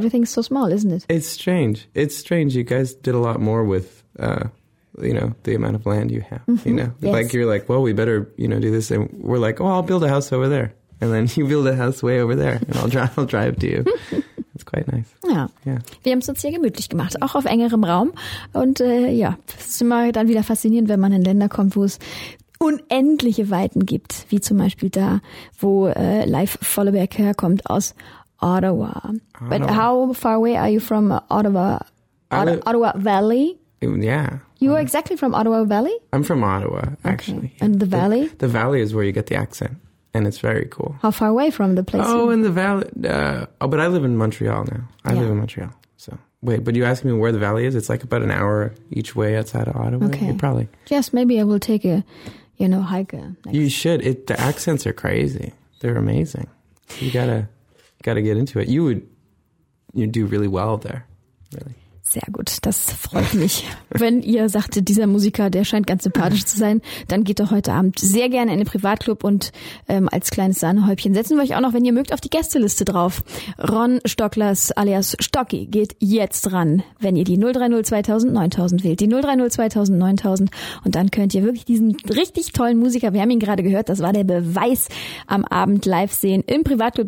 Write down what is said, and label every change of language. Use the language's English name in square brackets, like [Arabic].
[English] Everything's so small, isn't it? It's strange. It's strange. You guys did a lot more with... you know, the amount of land you have, you know, like you're like, well, we better, you know, do this. And we're like, oh, I'll build a house over there. And then you build a house way over there and I'll drive to you. It's quite nice. Yeah. Yeah. [German] Wir haben es uns hier gemütlich gemacht, auch auf engerem Raum. Und es ist immer dann wieder faszinierend, wenn man in Länder kommt, wo es unendliche Weiten gibt, wie zum Beispiel da, wo Leif Volleberg herkommt aus Ottawa. [English] But how far away are you from Ottawa? Ottawa Valley? Yeah. You are exactly from Ottawa Valley? I'm from Ottawa, actually. Okay. And the valley? The valley is where you get the accent, and it's very cool. How far away from the place? Oh, in the valley. But I live in Montreal now. I live in Montreal. So wait, but you ask me where the valley is? It's like about an hour each way outside of Ottawa. Okay. You probably. Yes, maybe I will take a, you know, hike. You should. The accents are crazy. They're amazing. You gotta get into it. You'd do really well there, really. [German] Sehr gut, das freut mich. Wenn ihr sagt, dieser Musiker, der scheint ganz sympathisch zu sein, dann geht doch heute Abend sehr gerne in den Privatclub und als kleines Sahnehäubchen setzen wir euch auch noch, wenn ihr mögt, auf die Gästeliste drauf. Ron Stocklers alias Stocki geht jetzt ran, wenn ihr die 030 2000 9000 wählt. Die 030 2000 9000 und dann könnt ihr wirklich diesen richtig tollen Musiker, wir haben ihn gerade gehört, das war der Beweis, am Abend live sehen im Privatclub.